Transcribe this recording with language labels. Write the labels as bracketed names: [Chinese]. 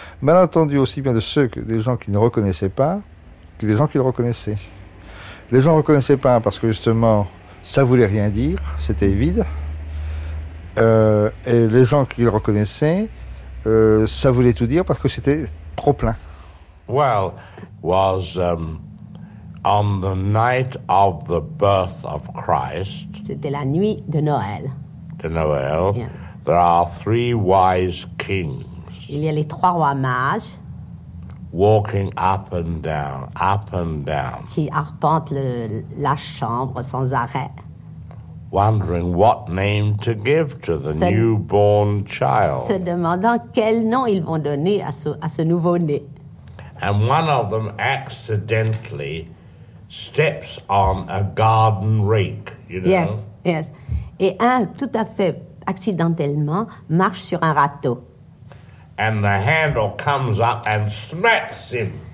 [French] Malentendu aussi bien de ceux que des gens qui ne reconnaissaient pas, que des gens qui le reconnaissaient. Les gens ne reconnaissaient pas parce que justement, ça voulait rien dire, c'était vide. Et les gens qui le reconnaissaient, ça voulait tout dire parce que c'était trop plein. [English] Well, was on the night of the birth of Christ. [French] C'était la nuit de Noël. De Noël. [English] Yeah. There are three wise kings. [French] Il y a les trois rois mages. [English] Walking up and down, up and down. [French] Qui arpentent la chambre sans arrêt. [English] Wondering what name to give to the newborn child. [French] Se demandant quel nom ils vont donner à ce nouveau-né. [English] And one of them accidentally steps on a garden rake, you know. Yes, yes. [French] Et un tout à fait accidentellement marche sur un râteau. [English] And the handle comes up and smacks him.